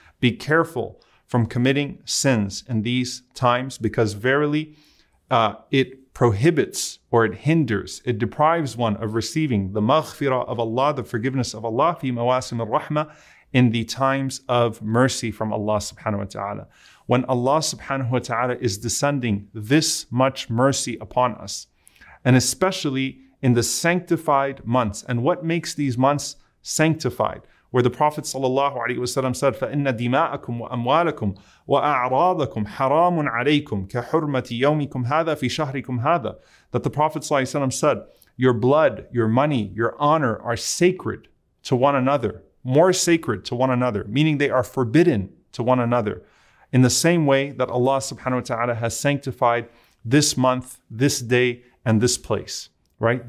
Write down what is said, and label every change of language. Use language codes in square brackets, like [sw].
[en] Be careful from committing sins in these times, because verily it prohibits, or it hinders, it deprives one of receiving the maghfirah of Allah, the forgiveness of Allah, [ar] fi mawasim ar-rahmah, [en] in the times of mercy from Allah subhanahu wa ta'ala. When Allah subhanahu wa ta'ala is descending this much mercy upon us, and especially in the sanctified months. And what makes these months sanctified? where the Prophet sallallahu alaihi wasallam said, [ar] فَإِنَّ دِمَاءَكُمْ وَأَمْوَالَكُمْ وَأَعْرَاضَكُمْ حَرَامٌ عَلَيْكُمْ كَحُرْمَةِ يَوْمِكُمْ هَذَا فِي شَهْرِكُمْ هَذَا. [en] That the Prophet sallallahu alaihi wasallam said, your blood, your money, your honor are sacred to one another, more sacred to one another, meaning they are forbidden to one another. In the same way that Allah subhanahu wa ta'ala has sanctified this month, this day, and this place, right?